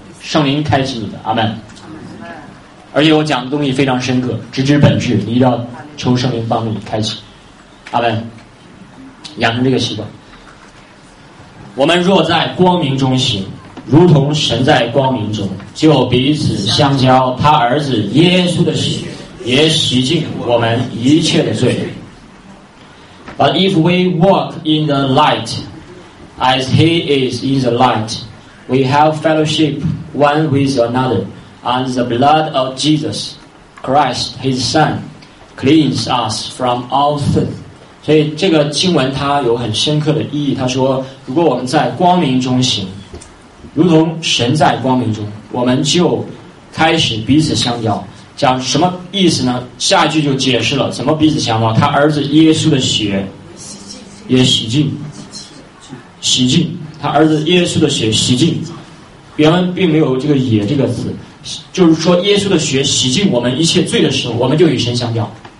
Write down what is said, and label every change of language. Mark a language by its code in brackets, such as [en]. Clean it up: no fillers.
[zh] 圣灵开启你的。阿们。而且我讲的东西非常深刻，直指本质，你一定要求圣灵帮助你开启。阿们。养成这个习惯。我们若在光明中行，如同神在光明中，就彼此相交，他儿子耶稣的血也洗净我们一切的罪。 [en] But if we walk in the light as he is in the light, we have fellowship one with anotherAnd the blood of Jesus Christ, his son, cleans us from all sin. [zh] 所以这个经文它有很深刻的意义，它说如果我们在光明中行，如同神在光明中，我们就开始彼此相交。讲什么意思呢？下一句就解释了怎么彼此相交。他儿子耶稣的血也洗净，洗净，他儿子耶稣的血洗净，原文并没有这个也这个词，就是说耶稣的血洗净我们一切罪的时候，我们就与神相交。